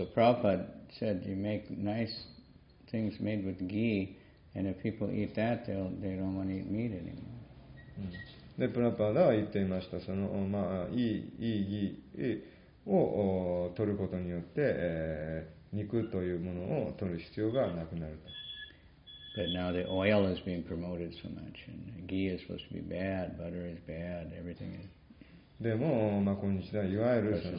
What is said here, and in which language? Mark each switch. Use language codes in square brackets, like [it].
[en] So Prabhupada said you make nice things made with ghee. And if people eat that, they don't want to eat meat anymore. [ja] で、プラパダは言っていました。その、まあ、いい義を取ることによって、肉というものを取る必要がなくなると。 [en] But now the oil is being promoted so much, and ghee is supposed to be bad, butter is bad, everything is. [ja] でも、まあ、今日ではいわゆるその、